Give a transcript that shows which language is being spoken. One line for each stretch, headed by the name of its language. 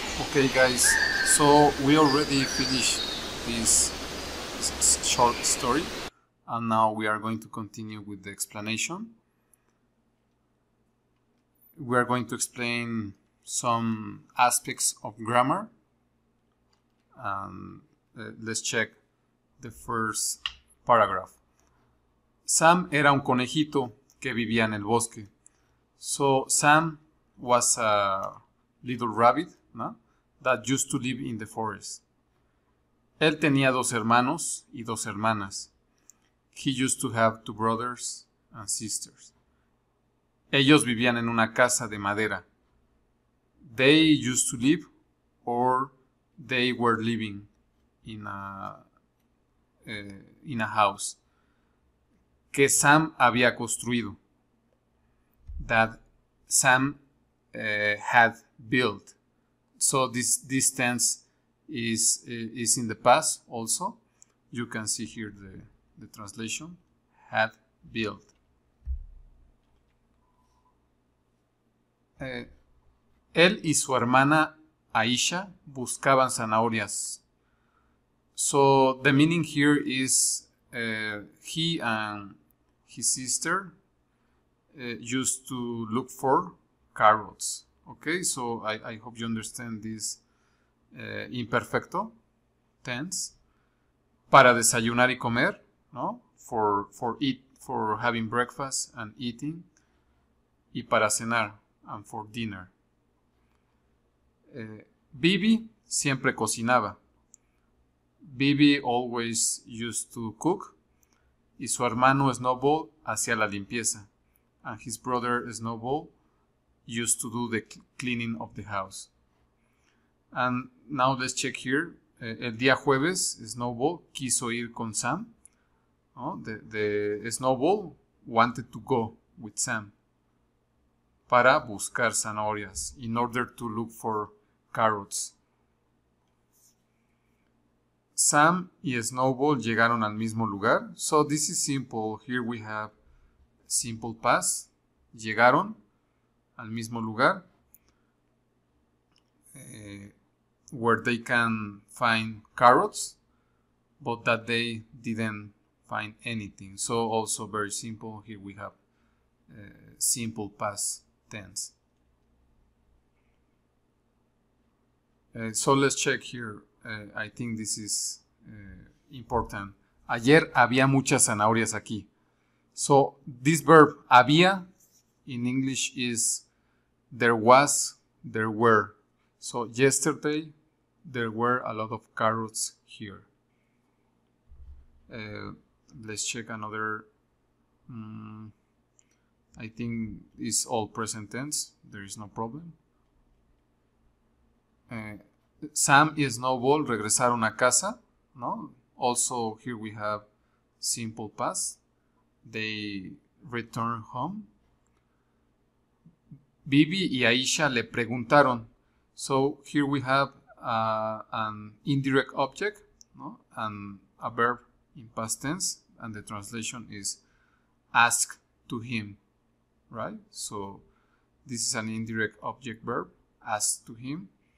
English: Okay, guys, so we already finished this short story, and now we are going to continue with the explanation. We are going to explain some aspects of grammar. Let's check the first paragraph.
Spanish: Sam era un conejito que vivía en el bosque.
English: So Sam was a little rabbit, no? That used to live in the forest.
Spanish: Él tenía dos hermanos y dos hermanas.
English: He used to have 2 brothers and sisters.
Spanish: Ellos vivían en una casa de madera.
English: They used to live, or they were living in a house
Spanish: que Sam había construido.
English: That Sam had built. So this tense is in the past also. You can see here the translation, had built.
Spanish: Él y su hermana Aisha buscaban zanahorias.
English: So the meaning here is he and his sister used to look for carrots. Okay, so I hope you understand this imperfecto tense.
Spanish: Para desayunar y comer, no?
English: For eat, for having breakfast and eating.
Spanish: Y para cenar
English: and for dinner.
Spanish: Bibi siempre cocinaba.
English: Bibi always used to cook.
Spanish: y su hermano Snowball hacía la limpieza.
English: And his brother Snowball used to do the cleaning of the house. And now let's check here.
Spanish: El día jueves, Snowball quiso ir con Sam. ¿No?
English: The Snowball wanted to go with Sam
Spanish: para buscar zanahorias,
English: in order to look for carrots.
Spanish: Sam y Snowball llegaron al mismo lugar.
English: So this is simple. Here we have simple past.
Spanish: Llegaron al mismo lugar.
English: Where they can find carrots, but that they didn't find anything. So also very simple. Here we have simple past tense. So let's check here. I think this is important.
Spanish: Ayer había muchas zanahorias aquí.
English: So this verb había in English is there was, there were. So yesterday there were a lot of carrots here. Let's check another. I think it's all present tense. There is no problem.
Spanish: Sam y Snowball regresaron a casa. No.
English: Also, here we have simple past. They return home.
Spanish: Bibi y Aisha le preguntaron.
English: So here we have an indirect object, no, and a verb in past tense, and the translation is ask to him, right? So this is an indirect object verb, ask to him.